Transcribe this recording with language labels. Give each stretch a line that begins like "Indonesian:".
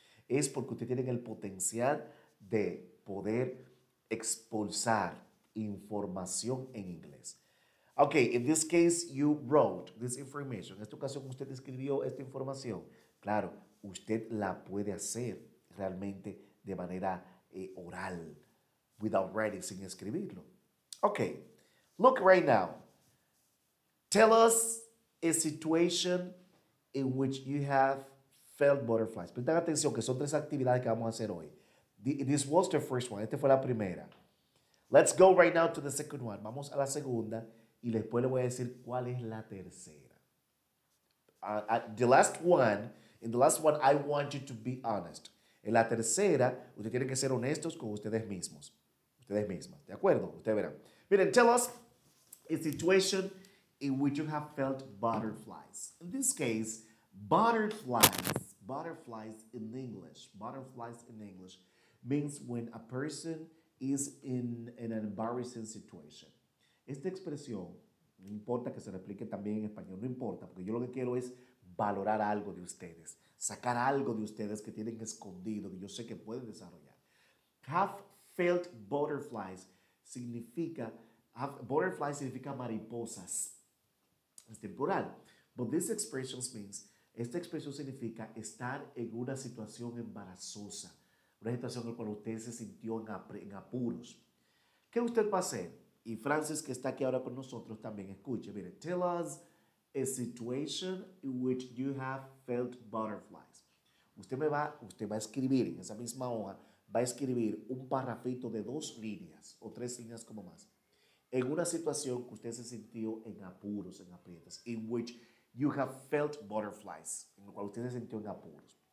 Spanish: Es porque usted tiene el potencial de poder expulsar información en inglés.
English: Okay, in this case, you wrote this information.
Spanish: En esta ocasión, usted escribió esta información. Claro, usted la puede hacer realmente de manera oral,
English: without writing,
Spanish: sin escribirlo.
English: Okay, look right now. Tell us a situation in which you have felt butterflies.
Spanish: Presten atención que son tres actividades que vamos a hacer hoy.
English: This was the first one.
Spanish: Esta fue la primera.
English: Let's go right now to the second one.
Spanish: Vamos a la segunda y después le voy a decir cuál es la tercera.
English: In the last one, I want you to be honest.
Spanish: En la tercera, ustedes tienen que ser honestos con ustedes mismos. Ustedes mismas. ¿De acuerdo? Ustedes verán. Miren,
English: tell us a situation in which you have felt butterflies. In this case, Butterflies. Butterflies in English. Butterflies in English means when a person is in an embarrassing situation.
Spanish: Esta expresión, no importa que se replique también en español, no importa, porque yo lo que quiero es valorar algo de ustedes, sacar algo de ustedes que tienen escondido, que yo sé que pueden desarrollar.
English: Have felt butterflies
Spanish: significa, butterflies significa mariposas. Es temporal.
English: But this expression means,
Spanish: esta expresión significa estar en una situación embarazosa, una situación en la cual usted se sintió en apuros. ¿Qué usted va a hacer? Y Francis, que está aquí ahora con nosotros, también escuche. Mire,
English: tell us a situation in which you have felt butterflies.
Spanish: Usted va a escribir en esa misma hoja, va a escribir un parrafito de dos líneas o tres líneas como más. En una situación que usted se sintió en apuros, en aprietos,
English: in which you have felt butterflies,
Spanish: en la cual usted se sintió en apuros.